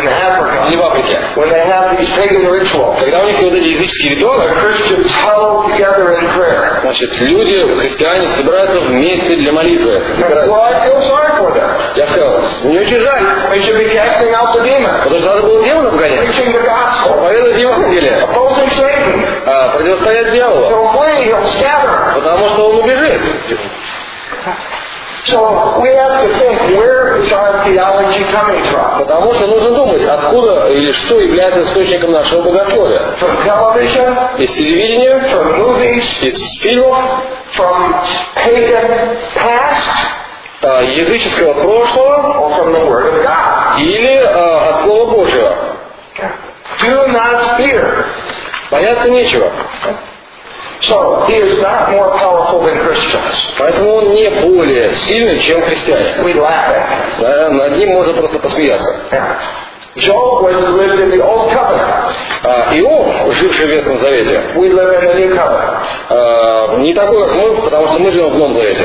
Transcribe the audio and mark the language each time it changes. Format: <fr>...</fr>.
<en>in Africa, when they have these pagan rituals,</en> <ru>когда у них вот эти языческие ритуалы,</ru> <en>Christians huddle together in prayer.</en> <ru>Значит, люди, христиане, собираются вместе для молитвы.</ru> <en>Well, I feel sorry for them.</en> <ru>Я сказал, мне очень жаль.</ru> <en>They should be casting out the demon.</en> <ru>Потому что надо было демона выгонять.</ru> <en>Preaching the gospel.</en> <ru>Поведать Евангелие.</ru> <en>Opposing Satan.</en> <ru>Противостоять дьяволу.</ru> <en>He'll flee, he'll scatter.</en> <ru>Потому что он убежит.</ru> <en>So we have to think, where is our theology coming from?</en> <ru>Потому что нужно думать, откуда или что является источником нашего богословия.</ru> <en>From television.</en> <ru>Из телевидения.</ru> <en>From movies.</en> <ru>Из фильмов.</ru> <en>From pagan past.</en> <ru>Языческого прошлого или от Слова Божьего.</ru> <en>Do not fear.</en> <ru>Бояться нечего.</ru> <en>So, he is not more powerful than Christians.</en> <ru>Поэтому он не более сильный, чем христиане.</ru> <en>We laugh at him.</en> <ru>Над ним можно просто посмеяться.</ru> <en>Job was lived in the Old Covenant.</en> <ru>Иов, живший в Ветхом Завете.</ru> <en>We live in the New Covenant.</en> <ru>Не такой, как мы, потому что мы живем в Новом Завете.</ru>